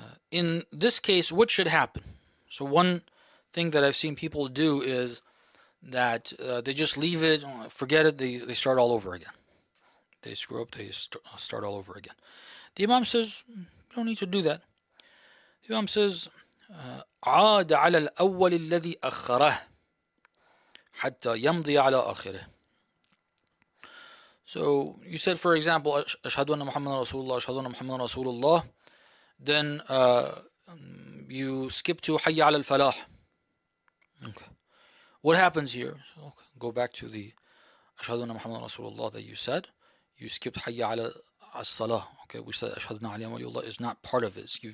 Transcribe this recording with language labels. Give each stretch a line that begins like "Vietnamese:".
English: In this case, what should happen? So one thing that I've seen people do is that they just leave it, forget it, they start all over again. They screw up, they start all over again. The imam says, you don't need to do that. The imam says,
Arabic: عاد على الأول الذي أخره حتى يمضي على آخره.
English: So you said, for example,
Arabic: أشهد أن محمد رسول الله, أشهد أن محمد رسول الله.
English: Then you skip to
Arabic: حي على الفلاح.
English: Okay. What happens here? So, okay, go back to the Ashhadu anna Muhammadan Rasulullah that you said. You skipped Hayya ala as-salah. Okay, we said Ashhadu anna Aliyan Waliullah is not part of it.